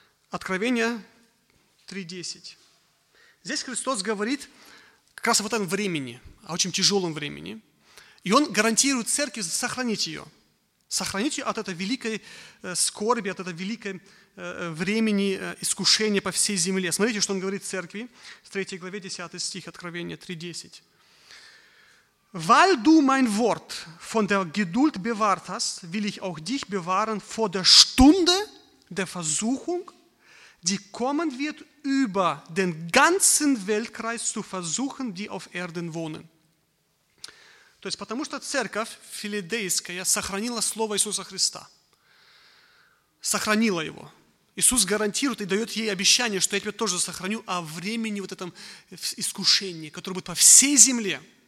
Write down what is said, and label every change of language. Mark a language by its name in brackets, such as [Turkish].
[Russian] Откровение 3.10. Здесь Христос говорит как раз в этом времени, о очень тяжелом времени. И Он гарантирует церкви сохранить ее. Сохранить ее от этой великой скорби, от этой великой времени искушения по всей земле. Смотрите, что Он говорит церкви в 3 главе 10 стих Откровения 3.10. [German] «Weil du mein Wort von der Geduld bewahrt hast, will ich auch dich bewahren vor der Stunde der Versuchung, die kommen wird über den ganzen Weltkreis zu versuchen, die auf Erden wohnen». [Russian] То есть, потому что церковь филадельфийская сохранила Слово Иисуса Христа. Сохранила его. Иисус гарантирует и дает ей обещание, что я тебя тоже сохраню о времени вот этом искушении, которое будет по всей земле.